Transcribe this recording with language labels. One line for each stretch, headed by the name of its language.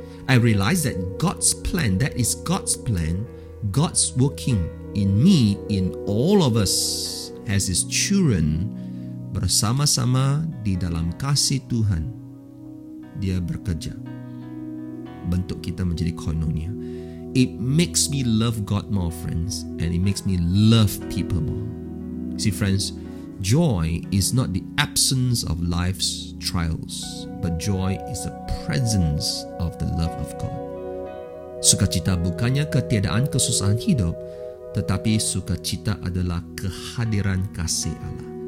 English: I realized that God's plan, that is God's plan, God's working in me, in all of us as His children,
Indonesian: bersama-sama di dalam kasih Tuhan, Dia bekerja. Bentuk kita menjadi koinonia.
English: It makes me love God more, friends. And it makes me love people more. See, friends, Joy is not the absence of life's trials, but joy is the presence of the love of God.
Indonesian: Sukacita bukannya ketiadaan kesusahan hidup, tetapi sukacita adalah kehadiran kasih Allah.